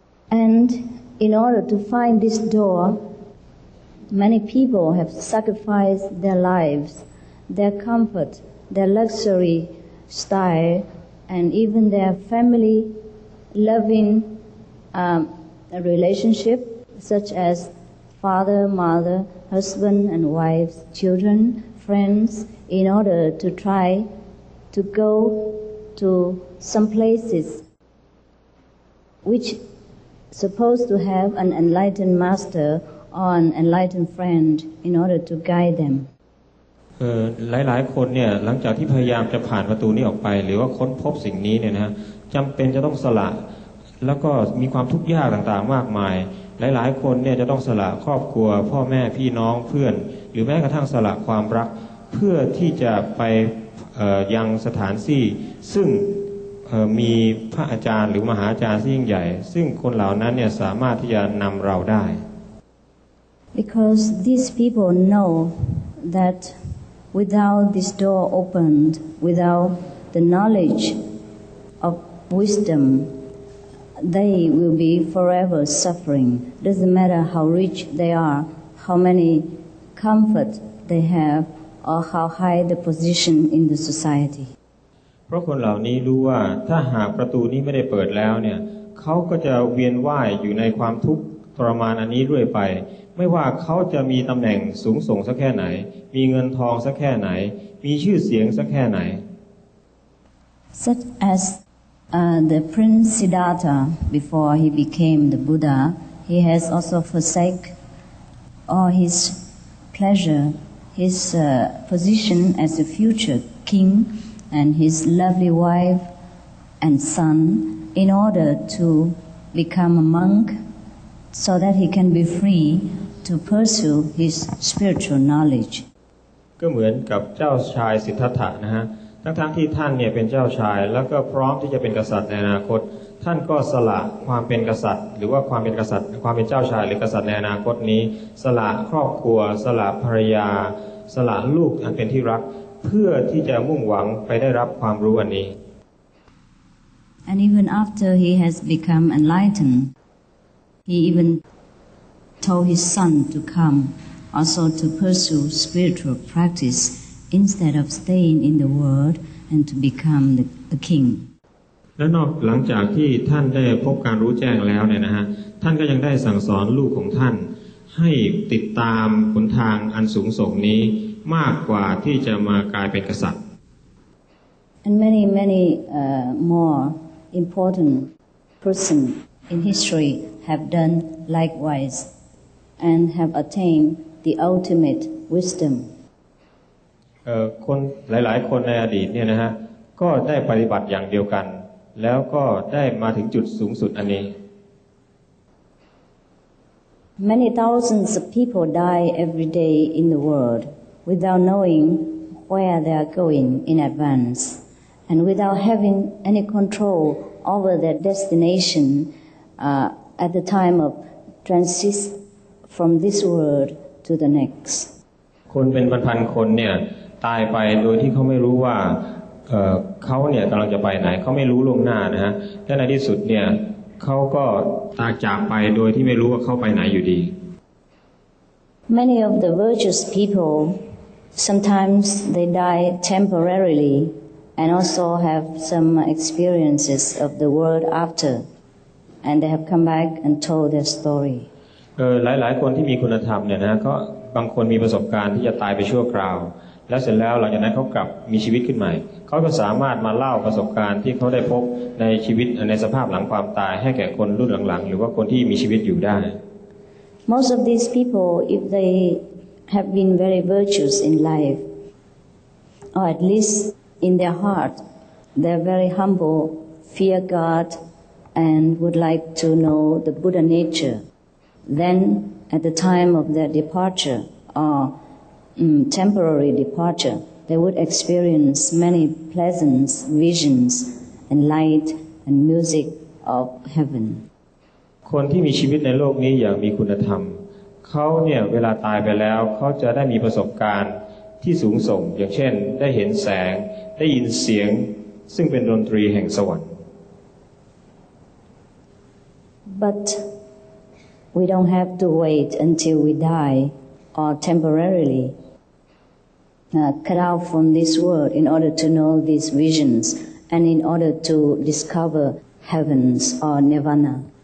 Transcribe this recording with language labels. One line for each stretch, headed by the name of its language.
English: and in order to find this door many people have sacrificed their lives their comfort their luxury styleAnd even their family loving a relationship, such as father, mother, husband and wife, children, friends, in order to try to go to some places which supposed to have an enlightened master or an enlightened friend in order to guide them.
Thai: หลายๆคนเนี่ยหลังจากที่พยายามจะผ่านประตูนี้ออกไปหรือว่าค้นพบสิ่งนี้เนี่ยนะจำเป็นจะต้องสละแล้วก็มีความทุกข์ยากต่างๆมากมายหลายๆคนเนี่ยจะต้องสละครอบครัวพ่อแม่พี่น้องเพื่อนหรือแม้กระทั่งสละความรักเพื่อที่จะไปยังสถานที่ซึ่งมีพระอาจารย์หรือมหาอาจารย์ที่ยิ่งใหญ่ซึ่งคนเหล่านั้นเนี่ยสามารถที่จะนำเราได้
English: because these people know thatWithout this door opened, without the knowledge of wisdom, they will be forever suffering. Doesn't matter how rich they are, how many comfort they have, or how high the position in the society.
Thai: เพราะคนเหล่านี้รู้ว่าถ้าหากประตูนี้ไม่ได้เปิดแล้วเนี่ยเขาก็จะเวียนว่ายอยู่ในความทุกข์ทรมานอันนี้เรื่อยไปไม่ว่าเขาจะมีตำแหน่งสูงส่งสักแค่ไหนมีเงินทองสักแค่ไหนมีชื่อเสียงสักแค่ไหน
English: such as the prince Siddhartha before he became the Buddha he has also forsake all his pleasure his position as a future king and his lovely wife and son in order to become a monk so that he can be freeTo pursue his spiritual knowledge.
Thai: ก็เหมือนกับเจ้าชายสิทธัตถะนะฮะทั้งที่ท่านเนี่ยเป็นเจ้าชายแล้วก็พร้อมที่จะเป็นกษัตริย์ในอนาคตท่านก็สละความเป็นกษัตริย์หรือว่าความเป็นกษัตริย์ความเป็นเจ้าชายหรือกษัตริย์ในอนาคตนี้สละครอบครัวสละภรรยาสละลูกอันเป็นที่รักเพื่อที่จะมุ่งหวังไปได้รับความรู้อันนี้
English: And even after he has become enlightened, he even told his son to come also to pursue spiritual practice instead of staying in the world and to become the king
Thai: และนอกหลังจากที่ท่านได้พบการรู้แจ้งแล้วเนี่ยนะฮะท่านก็ยังได้สั่งสอนลูกของท่านให้ติดตามหนทางอันสูงส่งนี้มากกว่าที่จะมากลายเป็นกษัตริย์
English: and many many more important person in historyhave done likewise and have attained the ultimate wisdom.
Thai: คนหลายๆคนในอดีตเนี่ยนะฮะก็ได้ปฏิบัติอย่างเดียวกันแล้วก็ได้มาถึงจุดสูงสุดอันนี้
English: Many thousands of people die every day in the world without knowing where they are going in advance and without having any control over their destination at the time of transit from this world to the next
Thai: คนเป็นพันๆคนเนี่ยตายไปโดยที่เขาไม่รู้ว่าเขาเนี่ยกำลังจะไปไหนเขาไม่รู้ล่วงหน้านะฮะและในที่สุดเนี่ยเขาก็ตายจากไปโดยที่ไม่รู้ว่าเขาไปไหนอยู่ดี
English: Many of the virtuous people sometimes they die temporarily and also have some experiences of the world after and they have come back and told their story
Thai: หลายๆคนที่มีคุณธรรมเนี่ยนะก็บางคนมีประสบการณ์ที่จะตายไปชั่วคราวแล้วเสร็จแล้วหลังจากนั้นเขากลับมีชีวิตขึ้นใหม่เขาก็สามารถมาเล่าประสบการณ์ที่เขาได้พบในชีวิตในสภาพหลังความตายให้แก่คนรุ่นหลังๆหรือว่าคนที่มีชีวิตอยู่ได้
English: Most of these people if they have been very virtuous in life or at least in their heart they're very humble fear God and would like to know the Buddha nature then at the time of their departure ortemporary departure, they would experience many pleasant visions and light and music of heaven.
Thai: คนที่มีชีวิตในโลกนี้อย่างมีคุณธรรมเขาเนี่ยเวลาตายไปแล้วเขาจะได้มีประสบการณ์ที่สูงส่งอย่างเช่นได้เห็นแสงได้ยินเสียงซึ่งเป็นดนตรีแห่งสวรรค์
English: But we don't have to wait until we dieOr temporarily cut out from this world in order to know these visions and in order to discover heavens or nirvana.